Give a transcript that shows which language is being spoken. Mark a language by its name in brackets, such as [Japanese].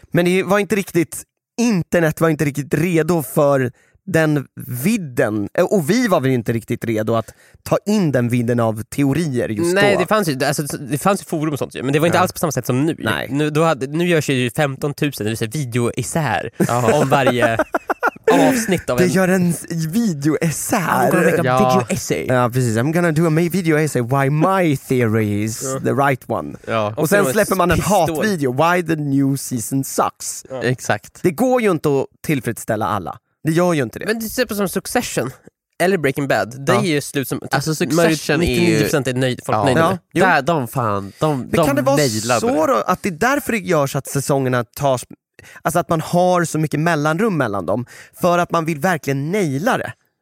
[Swedish] Men det var inte riktigt, internet var inte riktigt redo för den vidden, och vi var väl inte riktigt redo att ta in den vidden av teorier just Nej, då. Det fanns ju, alltså, det fanns ju forum och sånt, men det var inte alls på samma sätt som nu. Nej. Nu görs ju 15 000 eller så video isär om varje avsnitt av det. Det gör en video isär. Ja, precis. [English] I'm gonna do a video essay why my theory is the right one. [Swedish] Ja. Och sen släpper man en hatvideo [English] why the new season sucks. [Swedish] Ja. Exakt. Det går ju inte att tillfredsställa alla. Det gör ju inte det. Men det är på som Succession eller Breaking Bad. Det är ju slut som alltså Succession är 90% är nöjd, folk nöjda. Ja, de fan, de kan det vara så då, att det är därför det görs att säsongerna tas, alltså att man har så mycket mellanrum mellan dem för att man vill verkligen naila det.